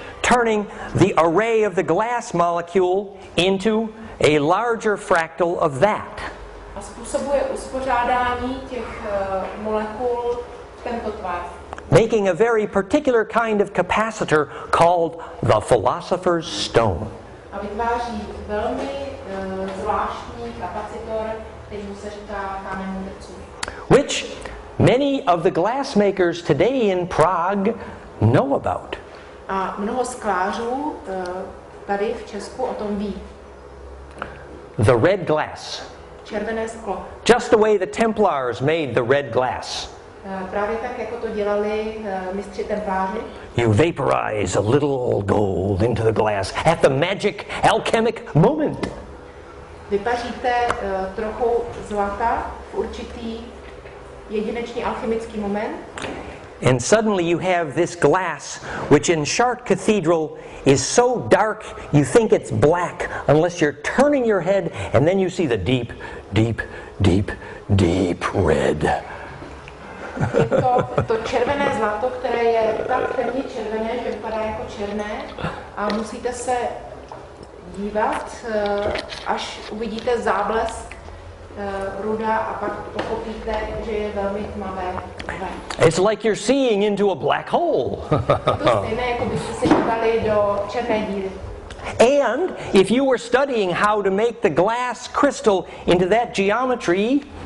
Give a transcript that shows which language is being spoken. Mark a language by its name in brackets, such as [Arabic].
[English] Turning the array of the glass molecule into a larger fractal of that. [Czech] A způsobuje uspořádání těch molekul tento tvar. [English] Making a very particular kind of capacitor called the philosopher's stone. [Czech] A vytváří velmi zvláštní kapacitor, který mu se říká kámen mudrců. [English] Which many of the glassmakers today in Prague know about. [Czech] A mnoho sklářů tady v Česku o tom ví. [English] The red glass. [Czech] Červené sklo. [English] Just the way the Templars made the red glass. [Czech] Právě tak, jako to dělali mistři templáři. [English] You vaporize a little gold into the glass at the magic alchemic moment. [Czech] Vypaříte trochu zlata v určitý jedinečný alchemický moment. [English] And suddenly you have this glass, which in Chartres Cathedral is so dark you think it's black unless you're turning your head and then you see the deep, deep, deep, deep red. [Czech] To červené zlato, které je tak temně červené, že vypadá jako černé, a musíte se dívat, až uvidíte záblesk ruda a pak pochopíte, že je velmi tmavé. [English] It's like you're seeing into a black hole. [Czech] To stejné, jako byste se dívali do černé díry. [English] And if you were studying how to make the glass crystal into that geometry,